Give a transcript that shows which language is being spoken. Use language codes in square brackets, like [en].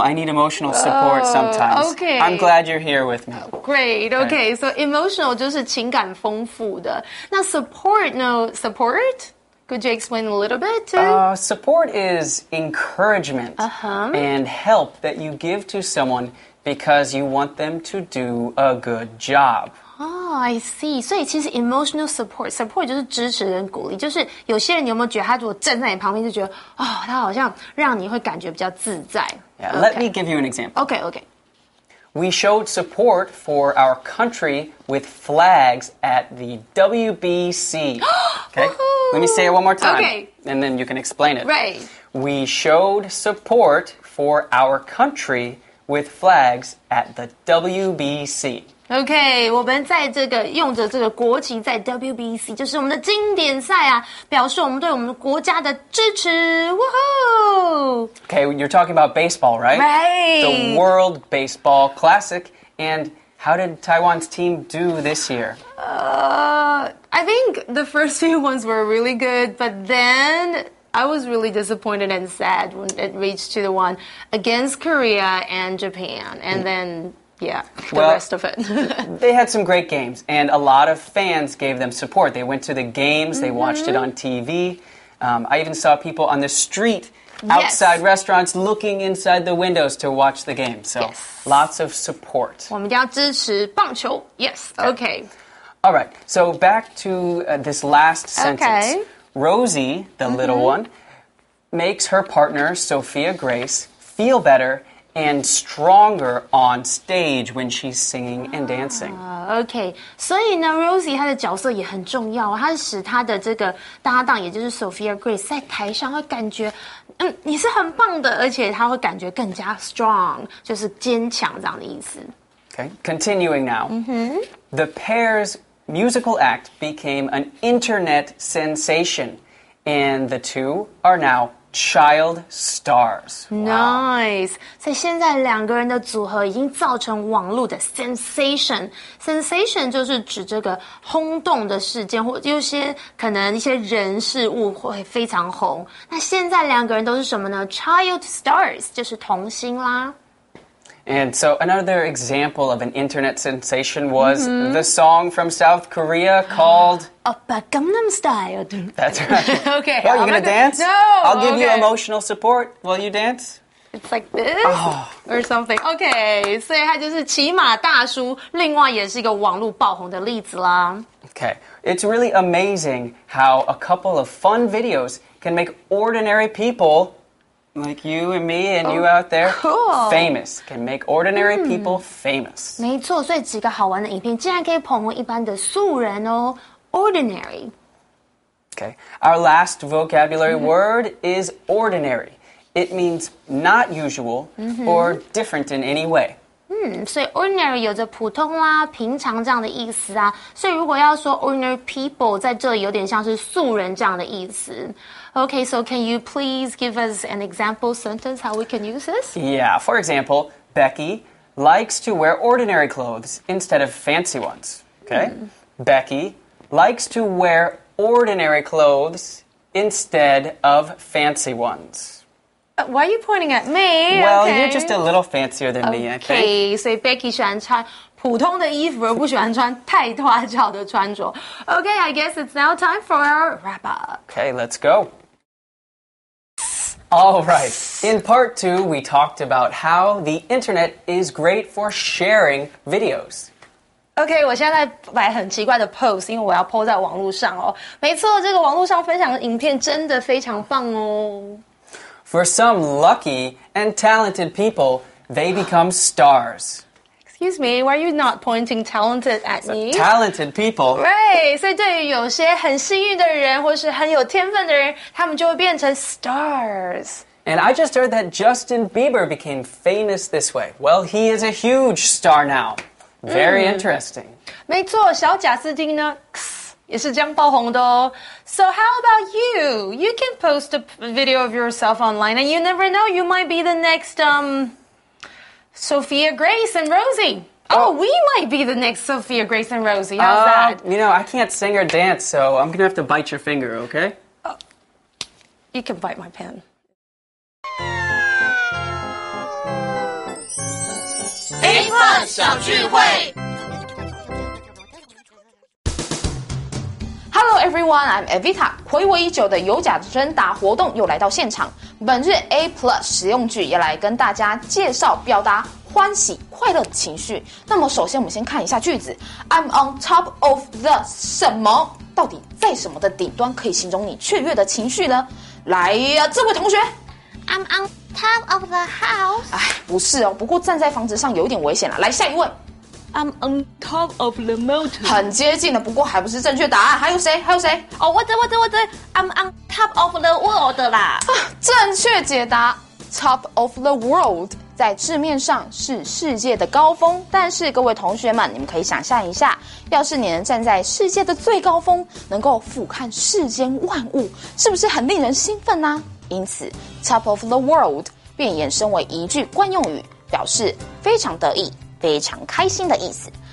[en] I need emotional support sometimes. Okay. I'm glad you're here with me. Great. Okay. [zh] So emotional 就是情感丰富的。 [en] 那 support, no, support? Could you explain a little bit too? Support is encouragement and help that you give to someone because you want them to do a good job. Oh, I see. [zh] 所以其实 emotional support, support 就是支持跟鼓励，就是有些人有没有觉得他如果站在你旁边就觉得、oh, 他好像让你会感觉比较自在。 [en] Yeah, okay. Let me give you an example. Okay, okay. We showed support for our country with flags at the WBC. Okay, let me say it one more time. Okay. And then you can explain it. Right. We showed support for our country with flags at the WBC. [zh] OK, 我们在这个用着这个国旗在 WBC, 就是我们的经典赛啊表示我们对我们国家的支持 Woohoo! [en] OK, you're talking about baseball, right? Right! The World Baseball Classic. And how did Taiwan's team do this year? I think the first few ones were really good, but then... I was really disappointed and sad when it reached to the one against Korea and Japan. And then, yeah, the well, rest of it. They had some great games, and a lot of fans gave them support. They went to the games, they watched it on TV. I even saw people on the street outside restaurants looking inside the windows to watch the game. So lots of support. [zh] 我们要支持棒球 [en] Yes, okay. All right, so back to this last sentence. Okay. Rosie, the little one, makes her partner, Sophia Grace, feel better and stronger on stage when she's singing and dancing. [zh] Okay, 所以呢 Rosie 她的角色也很重要，她使她的这个搭档，也就是 Sophia Grace, 在台上会感觉，你是很棒的，而且她会感觉更加 strong, 就是坚强这样的意思。 [en] Okay, continuing now. The pair's... musical act became an internet sensation, and the two are now child stars. Nice. [zh] So 现在两个人的组合已经造成网络的 sensation. Sensation 就是指这个轰动的事件，或有些可能一些人事物会非常红。那现在两个人都是什么呢？Child stars 就是童星啦。 [en] And so another example of an internet sensation was the song from South Korea called... Oppa Gangnam Style. That's right. Okay. Oh, you're going to dance? No. I'll give you emotional support while you dance. It's like this or something. Okay. [zh] 所以它就是骑马大叔另外也是一个网络爆红的例子啦。 [en] Okay. It's really amazing how a couple of fun videos can make ordinary people... Like you and me and you out there, famous, can make ordinary people famous. [zh] 没错，所以几个好玩的影片竟然可以捧红一般的素人哦 ,ordinary. [en] Okay, our last vocabulary word is ordinary. It means not usual or different in any way. [zh] 所以 ordinary 有着普通啦、平常这样的意思啊。所以如果要说 ordinary people 在这里有点像是素人这样的意思。 [en] Okay, so can you please give us an example sentence how we can use this? Yeah, for example, Becky likes to wear ordinary clothes instead of fancy ones. Okay, Becky likes to wear ordinary clothes instead of fancy ones. Why are you pointing at me? Well, you're just a little fancier than me, okay? Okay, so Becky [zh] 喜欢穿普通的衣服，而不喜欢穿太花俏的穿着。 [en] Okay, I guess it's now time for our wrap-up. Okay, let's go. All right. In part two, we talked about how the internet is great for sharing videos. [zh] OK, 我现在摆很奇怪的 pose, 因为我要 po 在网络上哦。没错，这个网络上分享的影片真的非常棒哦。 [en] For some lucky and talented people, they become stars. Excuse me, why are you not pointing talented at me? Talented people. [zh] Right, 所以对于有些很幸运的人或是很有天分的人他们就会变成 stars. [en] And I just heard that Justin Bieber became famous this way. Well, he is a huge star now. Very interesting. [zh] 没错小贾斯汀呢也是这样爆红的哦。 [en] So how about you? You can post a video of yourself online and you never know, you might be the next, Sophia Grace and Rosie. Oh, we might be the next Sophia Grace and Rosie. How's that? You know, I can't sing or dance, so I'm gonna have to bite your finger, okay? You can bite my pen. Hello everyone, I'm Evita. [zh] 回味已久的有假之争答活动又来到现场。本日 A Plus 实用句也来跟大家介绍表达欢喜快乐的情绪。那么首先我们先看一下句子 ， [en] I'm on top of the [zh] 什么？到底在什么的顶端可以形容你雀跃的情绪呢？来呀，这位同学 [en] ，I'm on top of the house。 [zh] 哎，不是哦，不过站在房子上有点危险了。来下一位 [en] ，I'm on top of the mountain。 [zh] 很接近了，不过还不是正确答案。还有谁？还有谁？哦，我这 [en] ，I'm on top of the world 啦。啊， [zh] 正确解答 ， [en] top of the world。 [zh] 在字面上是世界的高峰，但是各位同学们，你们可以想象一下，要是你能站在世界的最高峰，能够俯瞰世间万物，是不是很令人兴奋呢？因此 [en] top of the world [zh] 便衍生为一句惯用语，表示非常得意、非常开心的意思。